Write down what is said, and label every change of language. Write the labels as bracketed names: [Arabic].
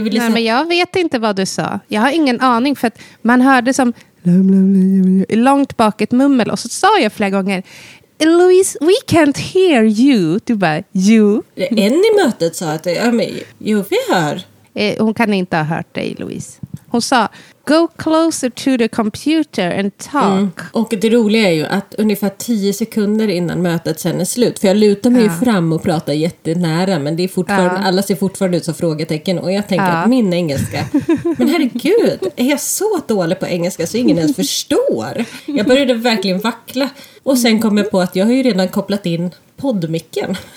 [Swedish] Nej, men jag vet inte vad du sa. Jag har ingen aning, för att man hörde som långt bak ett mummel, och så sa jag flera gånger, Louise, [English] we can't hear you. [Swedish] Du bara, [English] you. [Swedish] En i mötet sa att, jo, vi hör. Hon kan inte ha hört dig, Louise. Hon sa, [English] go closer to the computer and talk. [Swedish] Mm. Och det roliga är ju att ungefär 10 sekunder innan mötet sen är slut, för jag lutar mig ju fram och pratar jättenära, men det är fortfarande, alla ser fortfarande ut som frågetecken, och jag tänker att min engelska, men herregud, är jag så dålig på engelska så ingen ens förstår? Jag började verkligen vackla, och sen kom jag på att jag har ju redan kopplat in poddmicken.